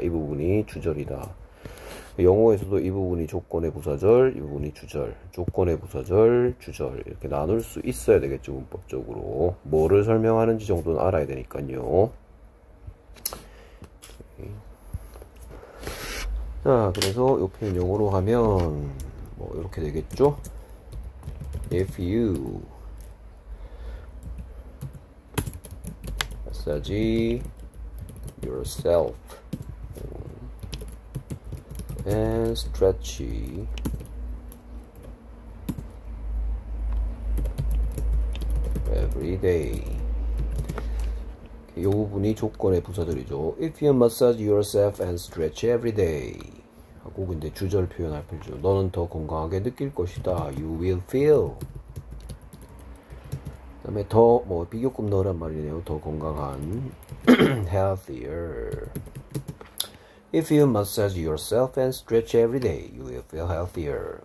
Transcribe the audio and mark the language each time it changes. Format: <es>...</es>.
<ko>이 부분이 주절이다. 영어에서도 이 부분이 조건의 부사절, 이 부분이 주절, 조건의 부사절, 주절 이렇게 나눌 수 있어야 되겠죠. 문법적으로 뭐를 설명하는지 정도는 알아야 되니까요. 자, 그래서 이 표현 영어로 하면 뭐 이렇게 되겠죠.</ko> <en>If you massage yourself and stretchy every day.</en> <ko>이 부분이 조건의 부사절이죠.</ko> <en>If you massage yourself and stretch every day.</en> <ko>하고, 근데 주절 표현할 필요죠. 너는 더 건강하게 느낄 것이다.</ko> <en>You will feel.</en> <ko>그다음에 더, 뭐, 비교급 너란 말이네요. 더 건강한. healthier.</ko> <en>If you massage yourself and stretch every day, you will feel healthier.</en>